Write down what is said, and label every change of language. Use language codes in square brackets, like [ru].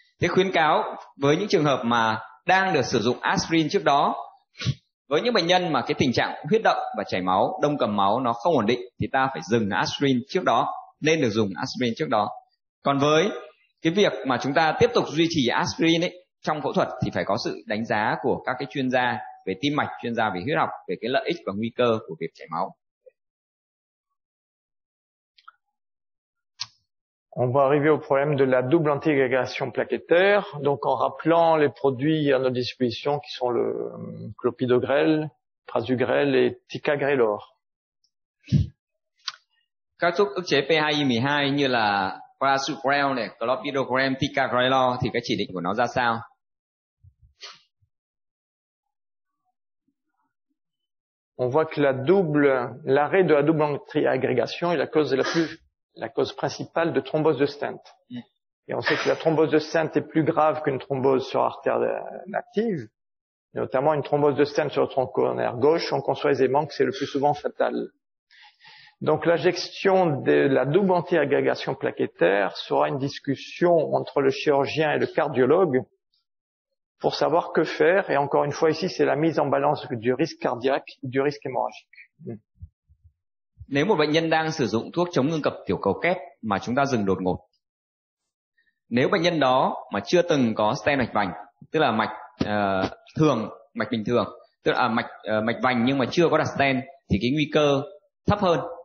[vi] Thế khuyến cáo với những trường hợp mà đang được sử dụng aspirin trước đó, với những bệnh nhân mà cái tình trạng huyết động và chảy máu, đông cầm máu nó không ổn định, thì ta phải dừng aspirin trước đó, nên được dùng aspirin trước đó. Còn với cái việc mà chúng ta tiếp tục duy trì aspirin ấy, trong phẫu thuật thì phải có sự đánh giá của các cái chuyên gia về tim mạch, chuyên gia về huyết học, về cái lợi ích và nguy cơ của việc chảy máu. [fr] On va arriver au problème de la double antiagrégation plaquettaire, donc en rappelant les produits à notre disposition qui sont le clopidogrel, prasugrel et ticagrelor. [vi] Các thuốc ức chế P2Y12 như là prasugrel này, clopidogrel, ticagrelor thì cái chỉ định của nó ra sao? [fr] On voit que la double, l'arrêt de la double antiagrégation est la cause la plus la cause principale de thrombose de stent. Et on sait que la thrombose de stent est plus grave qu'une thrombose sur artère native, notamment une thrombose de stent sur le tronc coronaire gauche, on conçoit aisément que c'est le plus souvent fatal. Donc l'injection de la double antiagrégation plaquettaire sera une discussion entre le chirurgien et le cardiologue pour savoir que faire, et encore une fois ici c'est la mise en balance du risque cardiaque et du risque hémorragique. [vi] Nếu một bệnh nhân đang sử dụng thuốc chống ngưng cập tiểu cầu kép mà chúng ta dừng đột ngột, nếu bệnh nhân đó mà chưa từng có stent mạch vành, tức là mạch thường, mạch bình thường, tức là mạch mạch vành nhưng mà chưa có đặt stent thì cái nguy cơ thấp hơn.